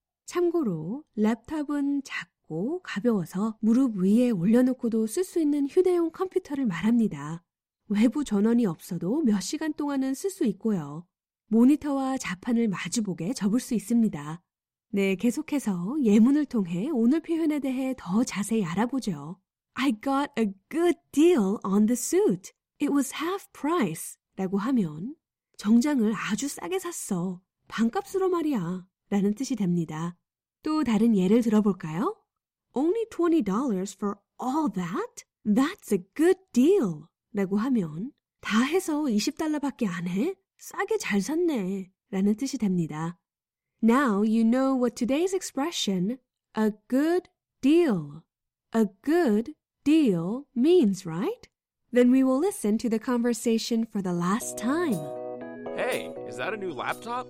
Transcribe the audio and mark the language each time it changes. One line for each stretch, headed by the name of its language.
Korean: 참고로 랩톱은 작고 가벼워서 무릎 위에 올려놓고도 쓸 수 있는 휴대용 컴퓨터를 말합니다. 외부 전원이 없어도 몇 시간 동안은 쓸 수 있고요. 모니터와 자판을 마주보게 접을 수 있습니다. 네, 계속해서 예문을 통해 오늘 표현에 대해 더 자세히 알아보죠.
English: I got a good deal on the suit. It was half price.
Korean: 라고 하면 정장을 아주 싸게 샀어. 반값으로 말이야. 라는 뜻이 됩니다. 또 다른 예를 들어볼까요?
English: Only $20 for all that? That's a good deal.
Korean: 라고 하면 다 해서 $20밖에 안 해? 싸게 잘 샀네. 라는 뜻이 됩니다.
English: Now you know what today's expression, a good deal. A good deal means, right? Then we will listen to the conversation for the last time. Hey, is that a new laptop?